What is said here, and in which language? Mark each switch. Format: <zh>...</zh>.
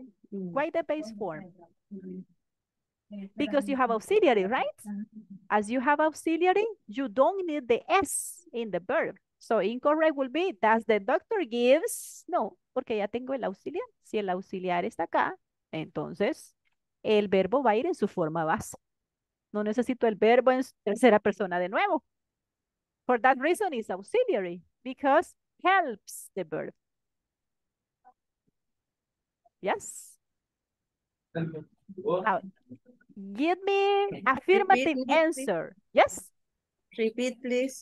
<en>Why the base form? Because you have auxiliary, right? As you have auxiliary, you don't need the S in the verb. So incorrect will be, does the doctor gives?</en> <es>No, porque ya tengo el auxiliar. Si el auxiliar está acá, entonces el verbo va a ir en su forma base. No necesito el verbo en tercera persona de nuevo.</es> <en>For that reason, it's auxiliary, because helps the verb. Yes? Now, give me affirmative repeat, answer. Please. Yes? Repeat, please.</en>